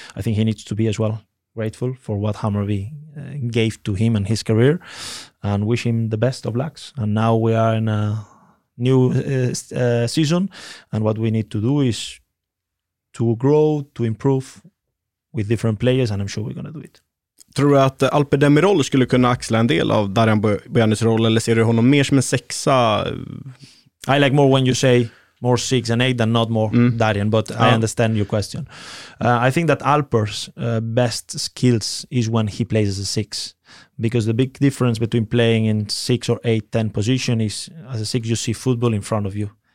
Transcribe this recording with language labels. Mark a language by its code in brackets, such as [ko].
[en] I think he needs to be as well. Grateful for what Hammarby gave to him and his career, and wish him the best of luck. And now we are in a new season, and what we need to do is to grow, to improve with different players, and I'm sure we're going to do it. [sv] Tror du att Alper Demirol skulle kunna axla en del av Darijan Bojanics roll, eller ser du honom mer som en sexa? [en] I like more when you say more 6 and 8 than not more Darijan, but I understand your question. I think that Alper's best skills is when he plays as a 6, because the big difference between playing in 6 or 8, 10 position is, as a 6, you see football in front of you.